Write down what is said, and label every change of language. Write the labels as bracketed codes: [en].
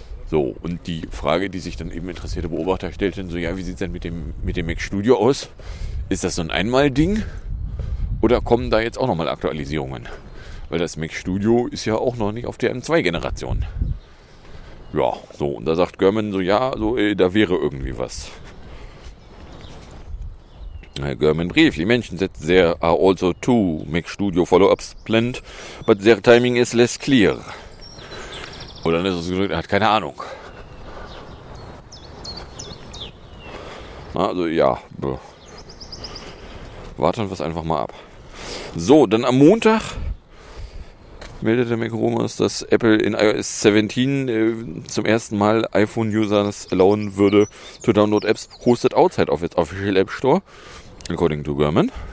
[de] So, und die Frage, die sich dann eben interessierte Beobachter stellten, so, ja, wie sieht es denn mit dem Mac Studio aus? Ist das so ein Einmal-Ding? Oder kommen da jetzt auch nochmal Aktualisierungen? Weil das Mac Studio ist ja auch noch nicht auf der M2-Generation. Ja, so, und da sagt Gurman so, ja, so, da wäre irgendwie was. [en] Gurman briefly mentions that there are also 2 Mac Studio Follow-ups planned, but their timing is less clear. [de] Oder dann ist es gesagt, er hat keine Ahnung. Also, ja. Warten wir es einfach mal ab. So, dann am Montag meldete Mac Rumors, dass Apple in iOS 17 zum ersten Mal iPhone-Users erlauben würde, [en] to download Apps hosted outside of its official App Store, according to Gurman.